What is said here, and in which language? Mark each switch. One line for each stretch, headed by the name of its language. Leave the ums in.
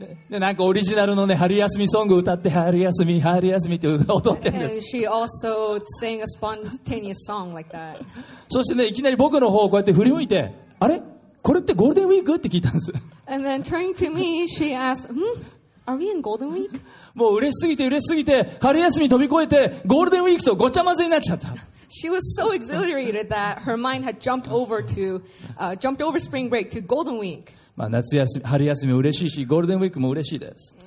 Japanese: でなんかオリジナルのね春休みソングを歌って春休み春休みって踊ってるんです。
English: She also sang a spontaneous song like that.
Japanese: そしてねいきなり僕の方をこうやって振り向いてあれこれってゴールデンウィークって聞いたんです。
English: And then turning to me, she asked, "Hmm, are we in Golden Week?"
Japanese: もう嬉しすぎて嬉しすぎて春休み飛び越えてゴールデンウィークとごちゃ混ぜになっちゃった。
English: She was so exhilarated that her mind had jumped over to, uh, jumped over spring break to Golden Week.
Japanese: まあ、夏休み春休み嬉しいし、ゴールデンウィークも嬉しいです。